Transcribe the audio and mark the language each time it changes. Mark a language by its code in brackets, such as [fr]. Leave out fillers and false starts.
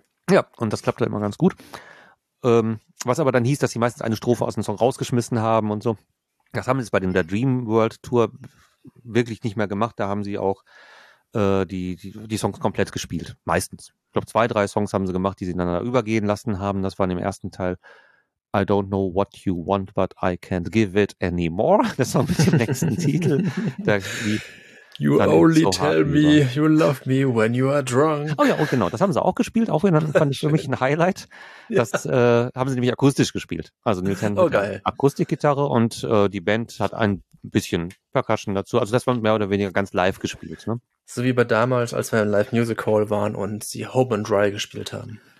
[de] Ja, und das klappt halt immer ganz gut. Was aber dann hieß, dass sie meistens eine Strophe aus dem Song rausgeschmissen haben und so. Das haben sie jetzt bei der Dreamworld Tour wirklich nicht mehr gemacht. Da haben sie auch die Songs komplett gespielt, meistens. Ich glaube, 2, 3 Songs haben sie gemacht, die sie ineinander übergehen lassen haben. Das war in dem ersten Teil [en] I don't know what you want, but I can't give it anymore. [de] Das war mit dem nächsten Titel. Da [en] You only tell me you love me when you are drunk. [de] Oh ja, oh genau, das haben sie auch gespielt. Auch wieder, fand ich für mich ein Highlight. Das haben sie nämlich akustisch gespielt. Also Nils Henderson Akustikgitarre und die Band hat ein bisschen Percussion dazu. Also das war mehr oder weniger ganz live gespielt. Ne? So wie bei damals, als wir im Live Music Hall waren und sie Home and Dry gespielt haben.